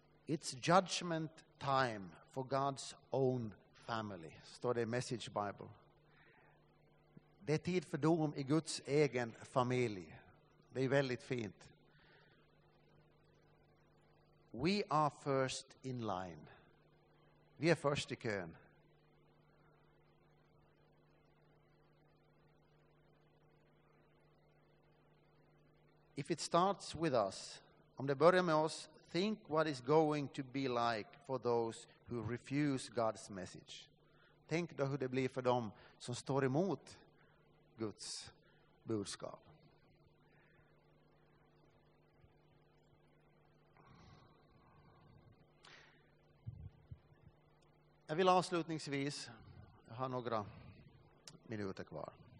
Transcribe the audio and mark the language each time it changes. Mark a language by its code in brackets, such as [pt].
[en] It's judgment time for God's own family, [sv] står det i Message Bible. Det är tid för dom i Guds egen familj. Det är väldigt fint. [en] We are first in line. [sv] Vi är först i kön. [en] If it starts with us, [sv] om det börjar med oss, [en] think what is going to be like for those who refuse God's message. [sv] Tänk då hur det blir för dem som står emot Guds budskap. Jag vill avslutningsvis, jag har några minuter kvar.